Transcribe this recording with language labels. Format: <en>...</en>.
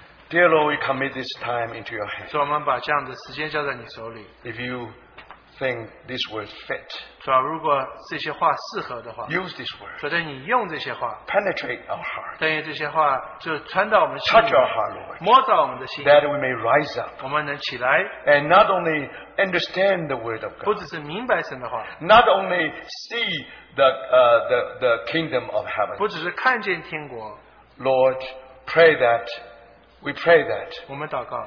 <en>dear Lord, we commit this time into your hands,</en> <zh>所以我们把这样的时间交在你手里,</zh> <en>if you think this word fit,</en> <zh>主啊,如果这些话适合的话,</zh> <en>use this word,</en> <zh>主啊,你用这些话,</zh> <en>penetrate our heart,</en> <zh>但愿这些话就穿到我们心里,</zh> <en>touch our heart, Lord,</en> <zh>摸到我们的心里,</zh> <en>that we may rise up,</en> <zh>我们能起来,</zh> <en>and not only understand the word of God,</en> <zh>不只是明白神的话,</zh> <en>not only see the kingdom of heaven,</en> <zh>不只是看见天国,</zh> <en>Lord, pray that, we pray that,</en> <zh>我们祷告,</zh>